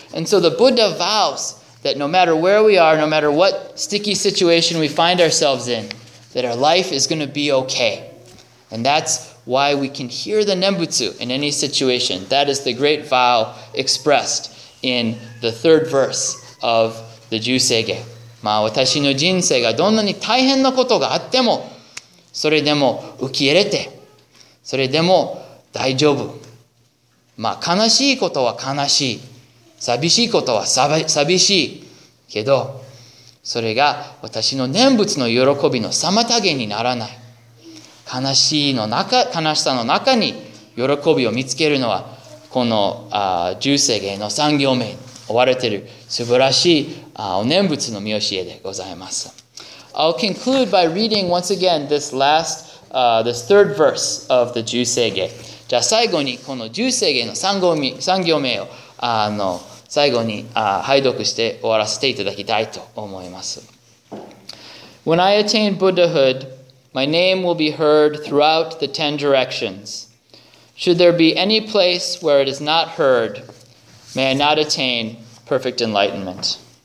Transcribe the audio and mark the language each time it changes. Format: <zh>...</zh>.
<en>And so the Buddha vows that no matter where we are, no matter what sticky situation we find ourselves in, that our life is going to be okay. And that's why we can hear the Nembutsu in any situation. That is the great vow expressed in the third verse of the Jusege.</en> <ja>まあ私の人生がどんなに大変なことがあっても、それでも受け入れて、それでも大丈夫。まあ、悲しいことは悲しい。寂しいことは寂しい。けど、それが私の念仏の喜びの妨げにならない。悲しさの中に喜びを見つけるのは、この、十世芸の三行目に追われている素晴らしい、お念仏の見教えでございます。</ja> <en>I'll conclude by reading once again this last, this third verse of the 十世芸。</en> <ja>じゃあ最後にこの十世芸の三行目を最後に拝読して終わらせていただきたいと思います。</ja> <en>When I attain Buddhahood, my name will be heard throughout the 10 directions. Should there be any place where it is not heard, may I not attain perfect enlightenment.</en>